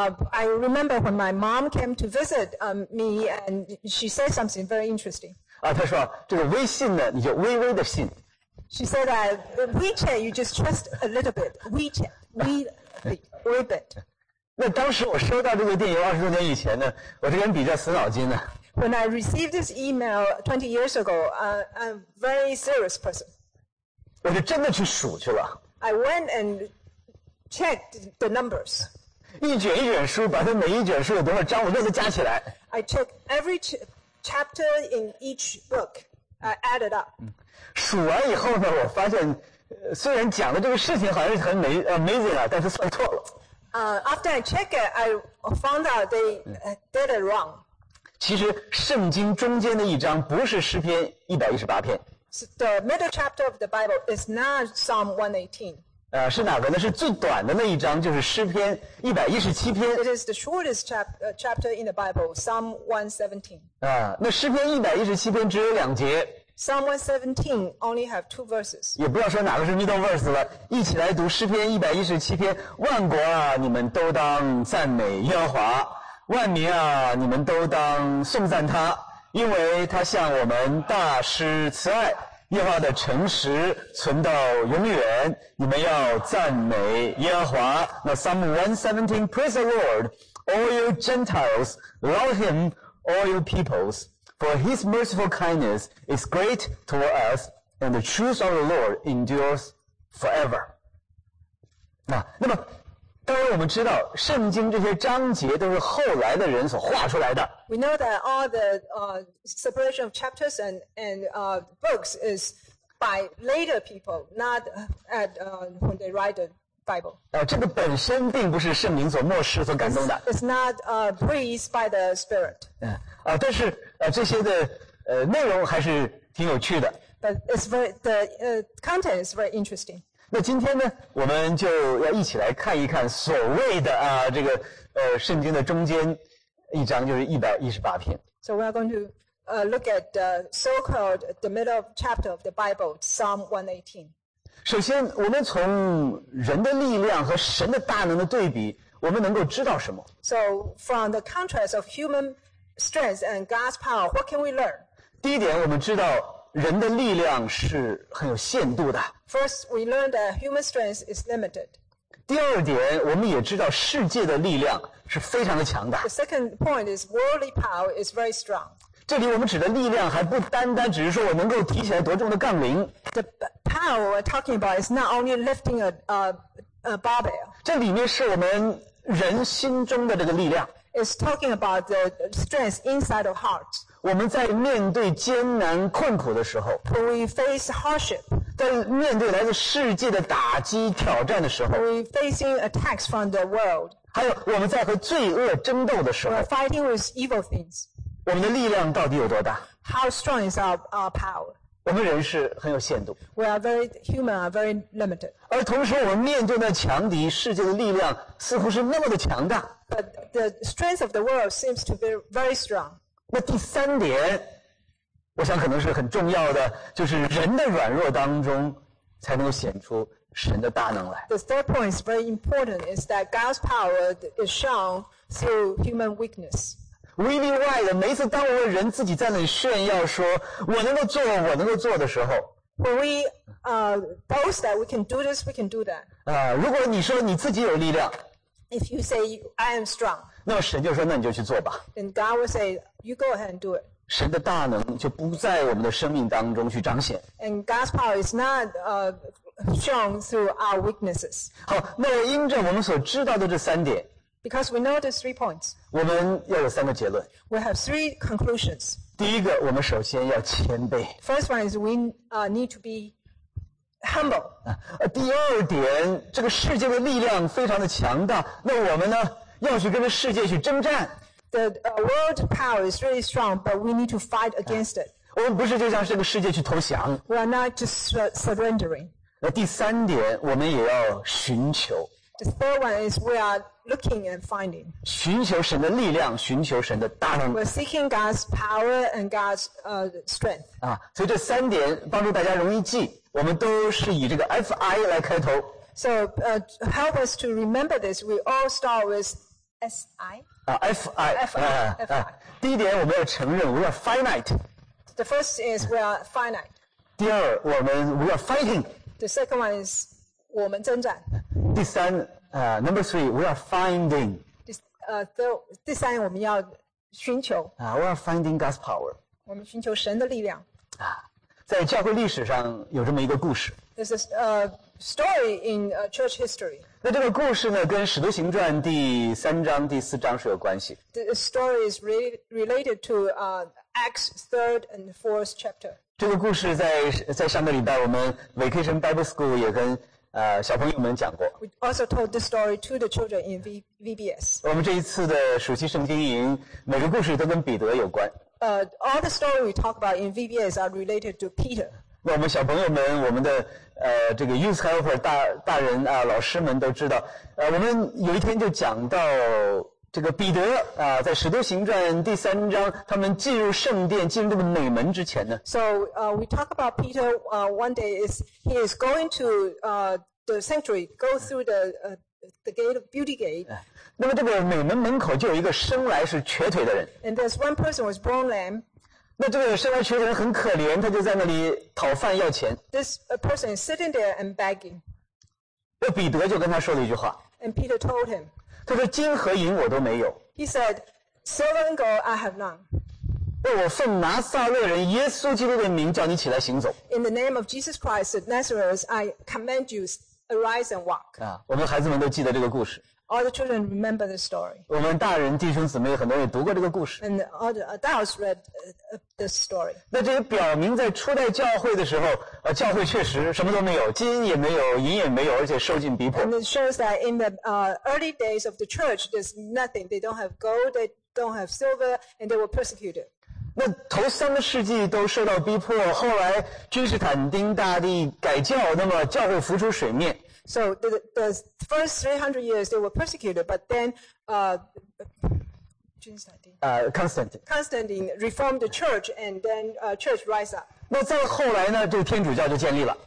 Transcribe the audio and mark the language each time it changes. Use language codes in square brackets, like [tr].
[en] I remember when my mom came to visit me, and she said something very interesting. [zh] 她说这个微信呢，你就微微的信。 [en] She said that WeChat, you just trust a little bit. WeChat, we a bit. [zh] 那当时我收到这个电邮20多年以前呢，我这个人比较死脑筋呢。 [en] When I received this email 20 years ago, I'm a very serious person. [zh] 我就真的去数去了。 [en] I went and checked the numbers. [zh] 一卷一卷书，把它每一卷书有多少章，我都给加起来。 [en] I checked every chapter in each book. I added up. [zh] 数完以后呢，我发现虽然讲的这个事情好像是很美 [en] amazing [zh] 啊，但是算错了。 [en] After I check it, I found out they did it wrong. [zh] 其实圣经中间的一章不是诗篇118篇。 [en] So、the middle chapter of the Bible is not Psalm 118. [zh] 是哪个呢？是最短的那一章，就是诗篇117篇。 [en] It is the shortest chapter in the Bible, Psalm 117. [zh] 那诗篇117篇只有两节。 [en] Psalm 117 only have two verses. [zh] 也不要说哪个是 [en] middle verse [zh] 了，一起来读诗篇117篇。万国啊，你们都当赞美耶和华，万民啊，你们都当颂赞他，因为他向我们大施慈爱，耶和华的诚实存到永远，你们要赞美耶和华。 [en] 那 Psalm 117, praise the Lord, all you Gentiles, love him, all you peoples. For his merciful kindness is great toward us, and the truth of the Lord endures forever. [zh] 那么当然我们知道圣经这些章节都是后来的人所画出来的。 [en] We know that all the separation of chapters and books is by later people, not at, when they write the Bible. [zh] 这个本身并不是圣灵所默示所感动的。 [en] It's not breathed by the Spirit. [zh] 但是这些的内容还是挺有趣的。 [en] But it's very, the content is very interesting. [zh] 那今天呢，我们就要一起来看一看所谓的这个圣经的中间一章，就是118篇。 [en] So we are going to look at the so-called the middle chapter of the Bible, Psalm 118. [zh] 首先，我们从人的力量和神的大能的对比，我们能够知道什么 [en] ？So from the contrast of human strength and God's power, what can we learn? [zh] 第一点，我们知道人的力量是很有限度的。 [en] First, we learn that human strength is limited. [zh] 第二点，我们也知道世界的力量是非常的强的。 [en] The second point is worldly power is very strong. [zh] 这里我们指的力量还不单单只是说我能够提起来多重的杠铃。 [en] The power we're talking about is not only lifting a barbell. [zh] 这里面是我们人心中的这个力量。 [en] It's talking about the strength inside of heart. [zh] 我们在面对艰难困苦的时候 [en] When we face hardship. [zh] 在面对来自世界的打击挑战的时候 [en] When we facing attacks from the world. [zh] 还有我们在和罪恶争斗的时候 [en] We're fighting with evil things. [zh] 我们的力量到底有多大 [en] How strong is our power? [zh] 我们人是很有限度 [en] We are very human, are very limited. [zh] 而同时我们面对那强敌世界的力量似乎是那么的强大 [en] But the strength of the world seems to be very strong. [zh] 那第三点，我想可能是很重要的，就是人的软弱当中才能够显出神的大能来。 [en] The third point is very important is that God's power is shown through human weakness. Really right. [zh] 每次当我们人自己在那里炫耀说我能够做我能够做的时候。 [en] When we boast that we can do this, we can do that. [zh] 如果你说你自己有力量。 [en] If you say I am strong, [zh] 那么神就说那你就去做吧。 [en] Then God will say you go ahead and do it. [zh] 神的大能就不在我们的生命当中去彰显。 [en] And God's power is not shown through our weaknesses. [zh] 好，那因着我们所知道的这三点 [en] ，Because we know these three points, [zh] 我们要有三个结论。 [en] We have three conclusions. [zh] 第一个，我们首先要谦卑。 [en] First one is we need to be humble. [zh] 第二点，这个世界的力量非常的强大，那我们呢，要去跟这世界去征战。 [en] The world power is really strong, but we need to fight against it. [zh] 我们不是就像这个世界去投降。 [en] We are not just surrendering. [zh] 那第三点，我们也要寻求。 [en] The third one is we are looking and finding. [zh] 寻求神的力量，寻求神的大能。 [en] We're seeking God's power and God's strength. [zh] 所以这三点帮助大家容易记。我们都是以这个 FI 来开头。 [en] So, help us to remember this. We all start with SI. FI. [zh] 第一点，我们要承认 [en] we are finite. The first is we are finite. [zh] 第二，我们 [en] we are fighting. The second one is [zh] 我们征战。第三， [en] number three, we are finding. This, [zh] 第三，我们要寻求。 [en] We are finding God's power. [zh] 我们寻求神的力量。在教会历史上有这么一个故事。 [en] This is a story in church history. [zh] 那这个故事呢，跟《使徒行传》第三章、第四章是有关系。 [en] The story is related to Acts 3 and 4th chapter. [zh] 这个故事在上个礼拜我们 Vacation Bible School 也跟小朋友们讲过。 [en] We also told this story to the children in VBS. [zh] 我们这一次的暑期圣经营，每个故事都跟彼得有关。 [en] All the stories we talk about in VBS are related to Peter. [zh] 那我们小朋友们，我们的这个 Youth Helper 大人啊，老师们都知道。我们有一天就讲到这个彼得啊，在《使徒行传》第三章，他们进入圣殿、进入那个美门之前呢。 [en] So, we talk about Peter. One day is he is going to the sanctuary, go through the gate of beauty gate. [zh] 那么这个美门门口就有一个生来是瘸腿的人。 [en] And there's one person was born lame. [zh] 那这个生来瘸腿的人很可怜，他就在那里讨饭要钱。 [en] This person is sitting there and begging. [zh] 那彼得就跟他说了一句话。 [en] And Peter told him. [zh] 他说：“金和银我都没有。” [en] He said, "Silver and gold I have none." [zh] 为我奉拿撒勒人耶稣基督的名叫你起来行走。 [en] In the name of Jesus Christ of Nazareth, I command you, arise and walk. [zh] 啊，我们孩子们都记得这个故事。 [en] All the children remember the story. [zh] 我们大人弟兄姊妹很多也读过这个故事。 [en] And all the adults read the story. [zh] 那这也表明在初代教会的时候，教会确实什么都没有，金也没有，银也没有，而且受尽逼迫。 [en] And it shows that in the early days of the church, there's nothing. They don't have gold, they don't have silver, and they were persecuted. [zh] 那头三个世纪都受到逼迫，后来君士坦丁大帝改教，那么教会浮出水面。 [en] So the first 300 years they were persecuted, but then Constantine reformed the church, and then church rise up. [zh] 那再后来呢，就天主教就建立了。